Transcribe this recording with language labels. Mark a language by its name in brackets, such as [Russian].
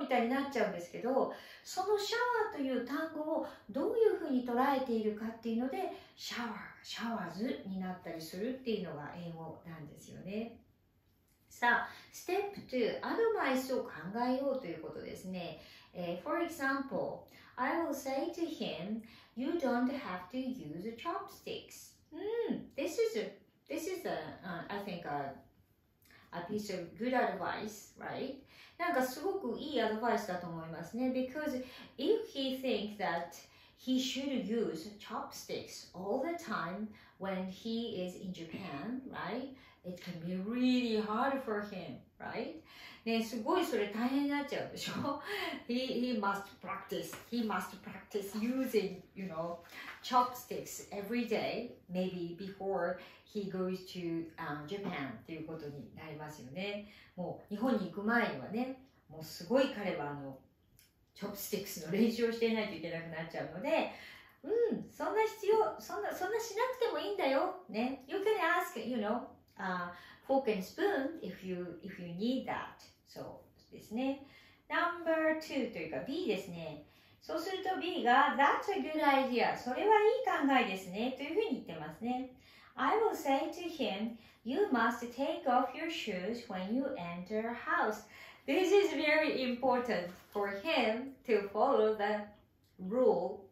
[Japanese] みたいになっちゃうんですけど、そのシャワーという単語をどういうふうに捉えているかっていうので、シャワー、シャワーズになったりするっていうのが英語なんですよね。さあ、ステップ2、アドバイスを考えようということですね。 [English] For example, I will say to him, you don't have to use chopsticks. This is a piece of good advice, right? [Japanese] なんかすごくいいアドバイスだと思いますね。 [English] Because if he thinks that he should use chopsticks all the time when he is in Japan, right? It can be really hard for him, right? [Japanese] ね、すごいそれ大変になっちゃうでしょ。 [English] He must practice using, you know, chopsticks every day, maybe before he goes to Japan [Japanese] っていうことになりますよね。もう日本に行く前にはね、もうすごい彼はチョップスティックスの練習をしていないといけなくなっちゃうので、うん、そんな必要、そんなしなくてもいいんだよ。ね。 [English] You can ask, you know,fork and spoon if you need that. [Japanese] そうですね。 [English] Number two [Japanese] というか B ですね。そうすると B が [English] That's a good idea. [Japanese] それはいい考えですね。というふうに言ってますね。 [English] I will say to him, you must take off your shoes when you enter a house. This is very important for him to follow the rule.